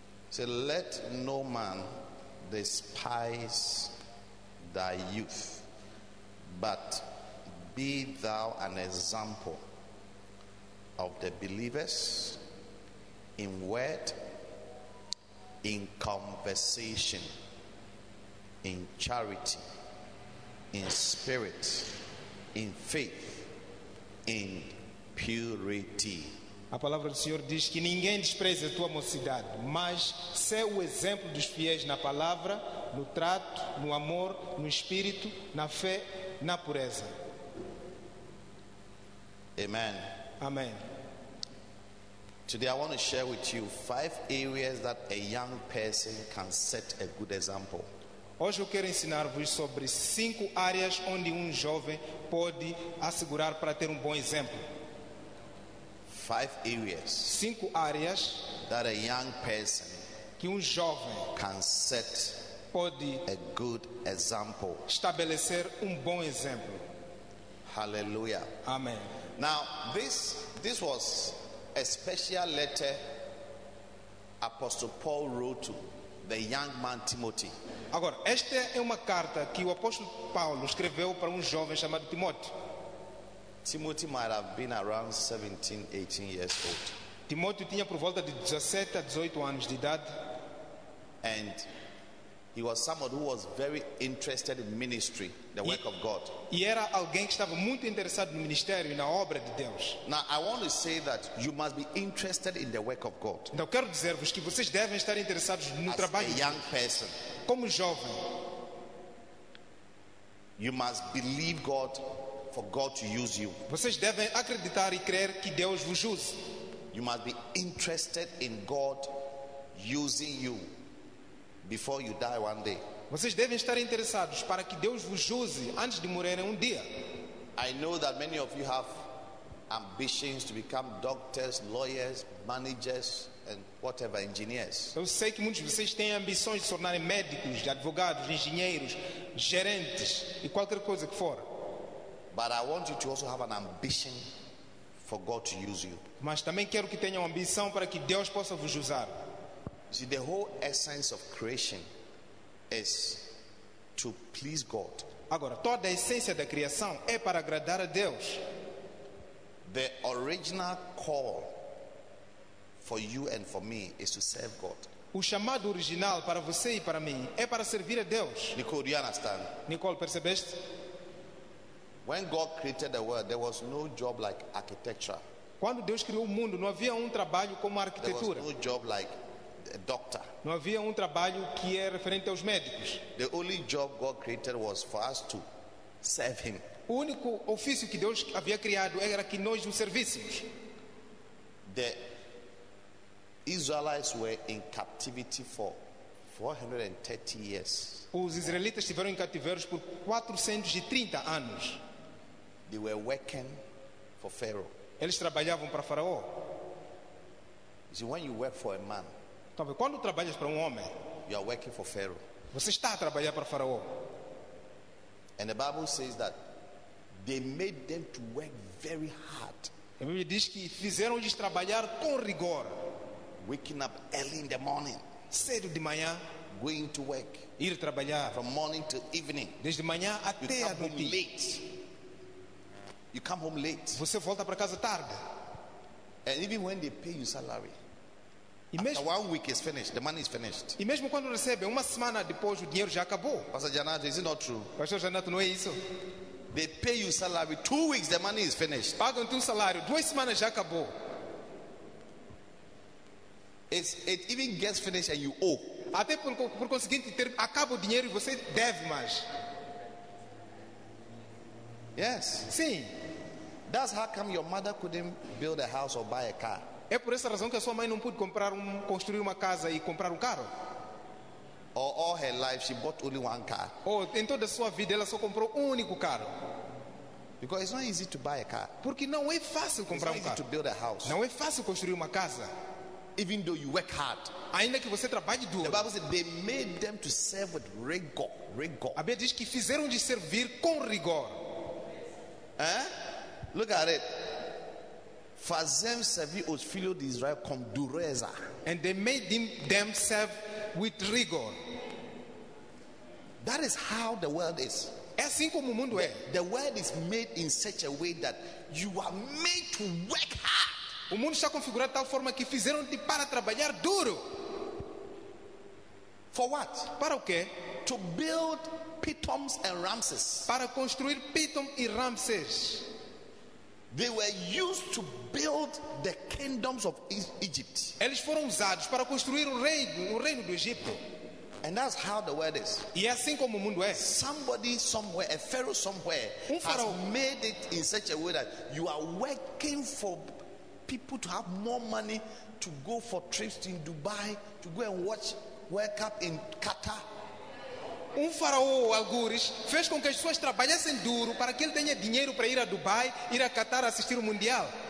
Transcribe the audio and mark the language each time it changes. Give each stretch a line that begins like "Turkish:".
English: So let no man despise thy youth, but be thou an example of the believers in word, in conversation, in charity, in spirit, in faith, in purity.
Portuguese: A palavra do Senhor diz que ninguém despreze a tua mocidade, mas sê o exemplo dos fiéis na palavra, no trato, no amor, no espírito, na fé, na pureza.
English: Amen.
Portuguese: Amen.
English: Today I want to share with you five areas that a young person can set a good example.
Portuguese: Hoje eu quero ensinar-vos sobre cinco áreas onde jovem pode assegurar para ter bom exemplo.
English: Five areas,
Portuguese: cinco áreas
English: that a young person
Portuguese: que jovem
English: can set
Portuguese: pode
English: a good example.
Portuguese: Estabelecer bom exemplo.
English: Hallelujah.
Portuguese: Amen.
English: Now, this was a special letter Apostle Paul wrote to the young man Timothy.
Portuguese: Agora, esta é uma carta que o apóstolo Paulo escreveu para jovem chamado Timóteo.
English: Timothy might have been around 17, 18 years old.
Portuguese: Timóteo tinha por volta de 17 a 18 anos de idade.
English: And he was someone who was very interested in ministry, the work of God.
Portuguese: E era alguém que estava muito interessado no ministério e na obra de Deus.
English: Now I want to say that you must be interested in the work of God.
Portuguese: Então quero dizer-vos que vocês devem estar interessados no trabalho.
English: As a young person,
Portuguese: como jovem,
English: you must believe God for God to use you.
Portuguese: Vocês devem acreditar e crer que Deus vos use.
English: You must be interested in God using you before you die one day.
Portuguese: Vocês devem estar interessados para que Deus vos use antes de morrerem dia.
English: I know that many of you have ambitions to become doctors, lawyers, managers and whatever, engineers.
Portuguese: Eu sei que muitos de vocês têm ambições de tornarem médicos, advogados, engenheiros, gerentes e qualquer coisa que for.
English: But I want you to also have an ambition for God to use you.
Portuguese: Mas também quero que tenham ambição para que Deus possa vos usar.
English: See, the whole essence of creation is to please God.
Portuguese: Agora, toda a essência da criação é para agradar a Deus.
English: The original call for you and for me is to serve God.
Portuguese: O chamado original para você e para mim é para servir a Deus.
English: Nicole, do you understand?
Portuguese: Nicole, percebeste?
English: When God created the world, there was no job like architecture.
Portuguese: Quando Deus criou o mundo, não havia trabalho como arquitetura.
English: There was no job like a doctor.
Portuguese: Não havia trabalho que é referente aos médicos.
English: The only job God created was for us to serve him.
Portuguese: O único ofício que Deus havia criado era que nós o servíssemos.
English: The Israelites were in captivity for 430 years.
Portuguese: Os israelitas estiveram em cativeiros por 430 anos.
English: They were working for Pharaoh.
Portuguese: Eles trabalhavam para Faraó.
English: See, when you work for a man,
Portuguese: então, quando trabalhas para homem,
English: you are working for Pharaoh.
Portuguese: Você está a trabalhar para Faraó.
English: And the Bible says that they made them to work very hard.
Portuguese: A Bíblia diz que fizeram-lhes trabalhar com rigor.
English: Waking up early in the morning.
Portuguese: Cedo de manhã.
English: Going to work.
Portuguese: Ir trabalhar.
English: From morning to evening.
Portuguese: Desde manhã até à noite.
English: Late. You come home late.
Portuguese: Você volta para casa tarde.
English: And even when they pay you salary. After 1 week is finished, the money is finished.
Portuguese: E mesmo quando recebe, uma semana depois o dinheiro já acabou.
English: Pastor Janato, is it not true?
Portuguese: Pastor Janato, não é isso?
English: They pay you salary, 2 weeks the money is finished.
Portuguese: Pagam teu salário, 2 semanas já acabou.
English: It even gets finished and you owe.
Portuguese: Até por conseguinte, acaba o dinheiro e você deve mais.
English: Yes.
Portuguese: Sim.
English: That's how come your mother couldn't build a house or buy a car.
Portuguese: É por essa razão que a sua mãe não pôde construir uma casa e comprar carro.
English: Or all her life she bought only one car.
Portuguese: Oh, em toda a sua vida ela só comprou único carro.
English: Because it's not easy to buy a car.
Portuguese: Porque não é fácil comprar carro.
English: It's not easy to build a house.
Portuguese: Não é fácil construir uma casa.
English: Even though you work hard.
Portuguese: Ainda que você trabalhe duro.
English: The Bible says they made them to serve with rigor.
Portuguese: A Bíblia diz que fizeram de servir com rigor.
English: Eh? Look at it.
Portuguese: Fazem servir os filhos de Israel com dureza.
English: And they made them serve with rigor. That is how the world is.
Portuguese: É assim como o mundo é.
English: The world is made in such a way that you are made to work hard.
Portuguese: O mundo está configurado de tal forma que fizeram-te para trabalhar duro.
English: For what?
Portuguese: Para o quê?
English: To build Pithoms and Ramses.
Portuguese: Para construir Pithom e Ramses.
English: They were used to build the kingdoms of Egypt.
Portuguese: Eles foram usados para construir o reino do Egito.
English: And that's how the world is.
Portuguese: E é assim como o mundo é.
English: Somebody somewhere, a pharaoh somewhere,
Portuguese: faraó,
English: has made it in such a way that you are working for people to have more money to go for trips in Dubai, to go and watch World Cup in Qatar.
Portuguese: Faraó algures fez com que as pessoas trabalhassem duro para que ele tenha dinheiro para ir a Dubai, ir a Qatar assistir o Mundial.